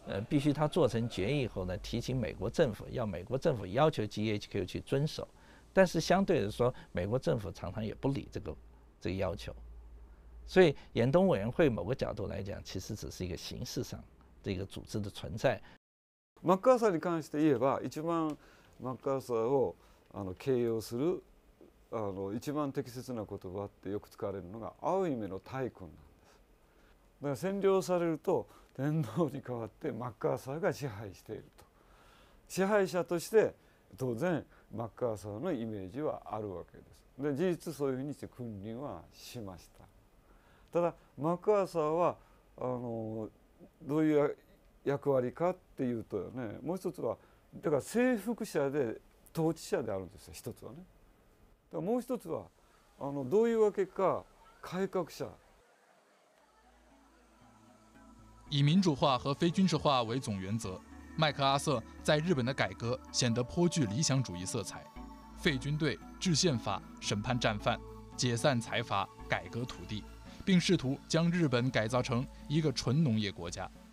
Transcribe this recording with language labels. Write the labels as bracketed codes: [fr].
[zh] 必须他做成决议以后呢，提请美国政府，要美国政府要求 GHQ 去遵守。但是相对的说，美国政府常常也不理这个要求。所以远东委员会某个角度来讲，其实只是一个形式上这个组织的存在。 [ja] マッカーサーに関して言えば、一番マッカーサーを形容する一番適切な言葉ってよく使われるのが青い目の大君なんです。だから占領されると天皇に代わってマッカーサーが支配していると。支配者として当然マッカーサーのイメージはあるわけです。で事実そういうふうにして君臨はしました。ただマッカーサーはどういう役割かっていうとね、もう一つはだから征服者で統治者であるんですよ、一つはね。だからもう一つはどういうわけか改革者。 [zh] 以民主化和非军事化为总原则，麦克阿瑟在日本的改革显得颇具理想主义色彩，废军队、制宪法、审判战犯、解散财阀、改革土地，并试图将日本改造成一个纯农业国家。